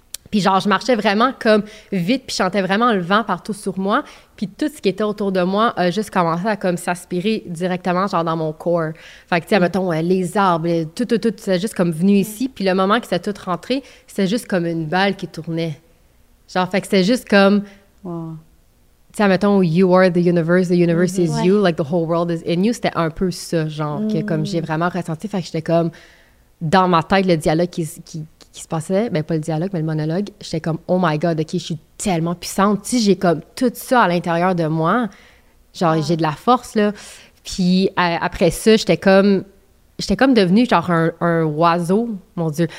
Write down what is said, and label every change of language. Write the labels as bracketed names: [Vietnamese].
[French] Puis genre, je marchais vraiment comme vite, puis je sentais vraiment le vent partout sur moi. Puis tout ce qui était autour de moi a juste commencé à comme s'aspirer directement, genre dans mon corps. Fait que, tu sais, mettons, les arbres, tout, c'est juste comme venu ici. Puis le moment que c'est tout rentré, c'est juste comme une balle qui tournait. Genre, fait que c'est juste comme... Wow. Tu sais, mettons, [English] you are the universe is you, like the whole world is in you. [French] C'était un peu ça, genre, que comme j'ai vraiment ressenti. Fait que j'étais comme, dans ma tête, le dialogue qui se passait, mais pas le dialogue, mais le monologue, j'étais comme « [English] Oh my God, OK, [French] je suis tellement puissante. » Tu sais, j'ai comme tout ça à l'intérieur de moi. Genre, j'ai de la force, là. Puis après ça, j'étais comme devenue genre un oiseau, mon Dieu.